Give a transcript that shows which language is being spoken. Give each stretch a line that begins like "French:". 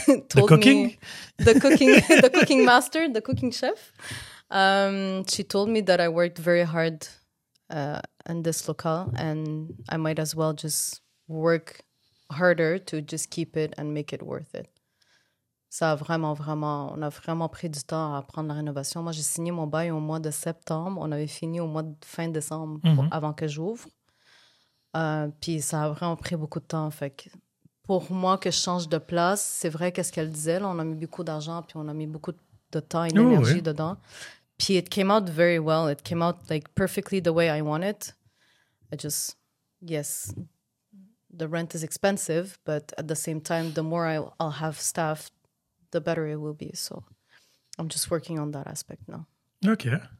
English: told cooking? Me... The cooking? The cooking master, the cooking chef. She told me that I worked very hard... in this locale and I might as well just work harder to just keep it and make it worth it.
French: Ça a vraiment, vraiment, on a vraiment pris du temps à prendre la rénovation. Moi, j'ai signé mon bail au mois de septembre. On avait fini au mois de fin décembre avant que j'ouvre. Puis ça a vraiment pris beaucoup de temps. Fait que pour moi, que je change de place, c'est vrai qu'est-ce qu'elle disait. Là, on a mis beaucoup d'argent puis on a mis beaucoup de temps et d'énergie dedans. Puis,
English: it came out very well. It came out, like, perfectly the way I want it. I just, yes, the rent is expensive, but at the same time, the more I'll have staff, the better it will be. So, I'm just working on that aspect now. Okay.